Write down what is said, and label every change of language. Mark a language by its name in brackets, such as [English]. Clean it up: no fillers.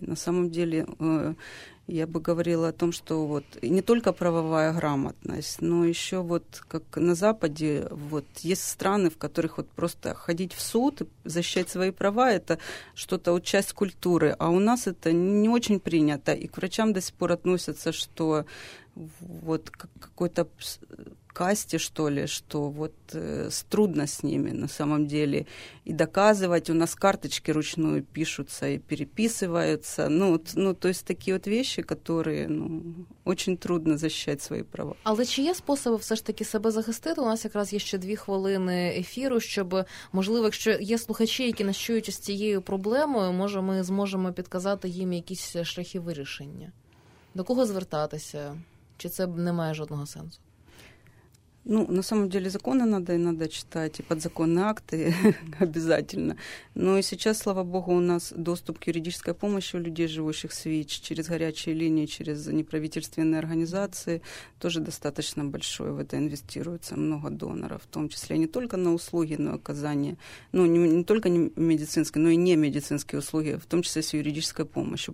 [Russian] На самом деле, я бы говорила о том, что вот не только правовая грамотность, но еще вот как на Западе, вот есть страны, в которых вот просто ходить в суд и защищать свои права, это что-то, вот часть культуры, а у нас это не очень принято, и к врачам до сих пор относятся, что вот к какой-то касте, что ли, что вот трудно с ними на самом деле и доказывать. У нас карточки ручную пишутся и переписываются. Ну, то есть такие вот вещи, которые, ну, очень трудно защищать свои права. [Ukrainian] Але чи є способи все ж таки себе захистити? У нас якраз є ще 2 хвилини ефіру, щоб, можливо, якщо є слухачі, які нас чують з цією проблемою, може, ми зможемо підказати їм якісь шляхи вирішення. До кого звертатися? Чи це не має жодного сенсу? [Russian] Ну, на самом деле законы надо иногда читать, и подзаконные акты обязательно. Но и сейчас, слава богу, у нас доступ к юридической помощи у людей, живущих с ВИЧ, через горячие линии, через неправительственные организации, тоже достаточно большое. В это инвестируется много доноров, в том числе не только на услуги, но и оказание, ну, не только не медицинские, но и не медицинские услуги, в том числе с юридической помощью.